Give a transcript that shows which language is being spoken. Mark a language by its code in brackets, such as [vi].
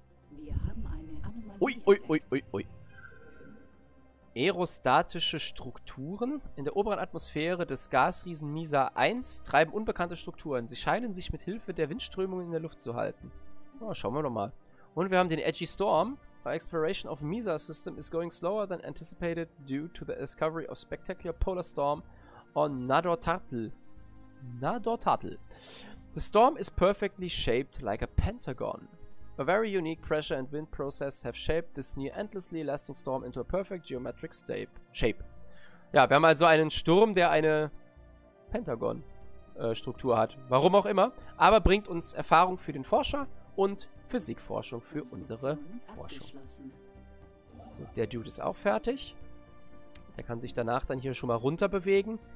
[de] Wir haben eine Anomalie. Ui. Aerostatische Strukturen. In der oberen Atmosphäre des Gasriesen Misa 1 treiben unbekannte Strukturen. Sie scheinen sich mit Hilfe der Windströmungen in der Luft zu halten. Oh, schauen wir doch mal. Und wir haben den Edgy Storm. [en] Our exploration of Misa system is going slower than anticipated due to the discovery of spectacular polar storm on Nadortartl. Nadortartl. The storm is perfectly shaped like a pentagon. A very unique pressure and wind process have shaped this near endlessly lasting storm into a perfect geometric shape. [de] Ja, wir haben also einen Sturm, der eine Pentagon-Struktur hat. Warum auch immer. Aber bringt uns Erfahrung für den Forscher und Physikforschung für unsere Forschung. So, der Dude ist auch fertig. Der kann sich danach dann hier schon mal runter bewegen.